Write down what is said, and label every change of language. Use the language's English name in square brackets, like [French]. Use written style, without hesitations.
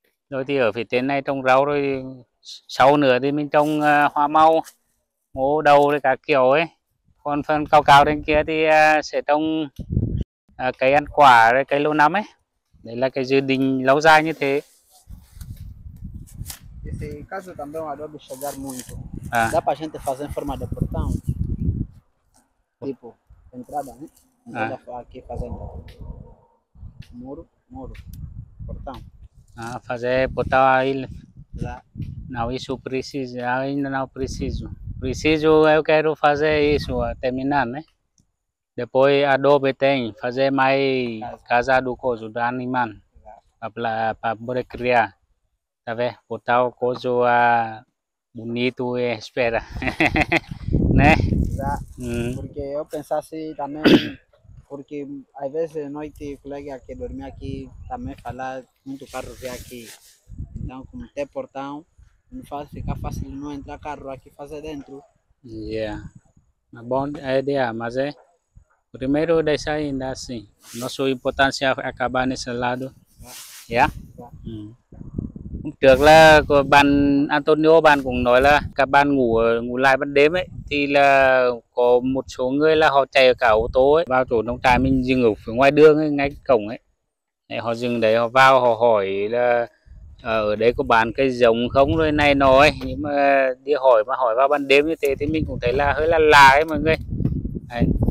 [Vietnamese] Rồi thì ở phía trên này trồng rau, rồi sau nữa thì mình trồng hoa màu, ngô đầu rồi cả kiểu ấy. Còn phần cao cao bên kia thì sẽ trồng cây ăn quả, cây lâu năm ấy. Đấy là cái dự định lâu dài như thế. [Portuguese] Esse caso também é um adobe chegar muito. Dá pra gente fazer em forma de portão? Tipo, entrada, né? Aqui fazendo muro, muro, portão. Fazer portão aí. Não, isso precisa, ainda não preciso. Preciso, eu quero fazer isso, terminar, né? Depois a adobe tem, fazer mais casa do coso, do animal, para poder criar, tá vendo? Botar o coso bonito e espera, né? Exato, porque eu pensasse também, porque às vezes noite o colega que dormia aqui também fala muito carro vem aqui, então como tem portão, não faz ficar fácil não entrar carro aqui fazer dentro. Yeah, bom ideia, mas é... Primeiro deixa ainda assim. Nossa importância é acabar nesse lado. Já? [Vietnamese] Trước là bạn Antonio bạn cũng nói là các bạn ngủ lại ban đêm ấy, thì là có một số người là họ chạy cả ô tô ấy vào chỗ nông trại mình dừng ở phía ngoài đường ấy, ngay cổng ấy. Đấy, họ dừng đấy họ vào họ hỏi là ở đấy có bán cái giống không rồi này nói, nhưng mà đi hỏi mà hỏi vào ban đêm như thế thì mình cũng thấy là hơi là lạ ấy mọi người. Đấy.